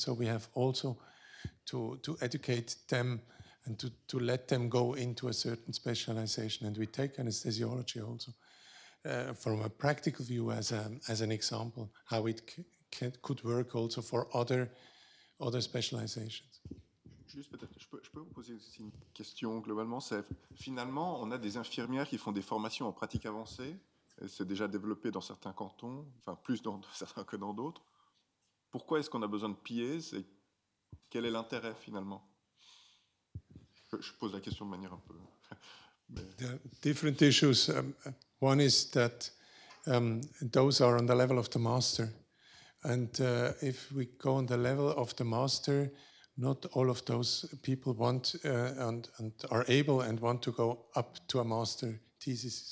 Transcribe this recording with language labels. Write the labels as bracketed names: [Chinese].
[English] So we have also to educate them and to let them go into a certain specialization. And we take anesthesiology also from a practical view as an example, how it could work also for other specializations. [French] Je juste peut-être, je peux vous poser aussi une question globalement. C'est, finalement, on a des infirmières qui font des formations en pratique avancée. Elle s'est déjà développée dans certains cantons, enfin plus dans certains que dans d'autres. Pourquoi est-ce qu'on a besoin de PIES et quel est l'intérêt finalement? Je pose la question de manière un peu. [English] Different issues. One is that those are on the level of the master, and if we go on the level of the master, not all of those people want and are able and want to go up to a master thesis.